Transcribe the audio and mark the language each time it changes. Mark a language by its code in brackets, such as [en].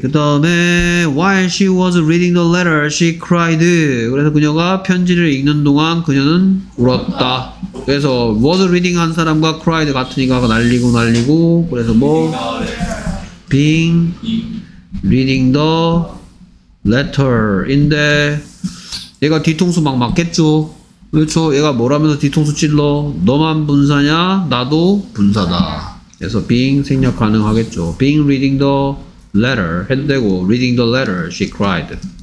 [ko] 그 다음에 [en] while she was reading the letter, she cried. [ko] 그래서 그녀가 편지를 읽는 동안 그녀는 울었다. 그래서 was reading 한 사람과 cried 같으니까 날리고 그래서 뭐 [en] being reading the letter [ko] 인데 얘가 뒤통수 막 맞겠죠. 그렇죠. 얘가 뭐라면서 뒤통수 찔러. 너만 분사냐 나도 분사다. 그래서 being 생략 가능하겠죠. [en] being reading the letter [ko] 해도 되고 [en] reading the letter she cried.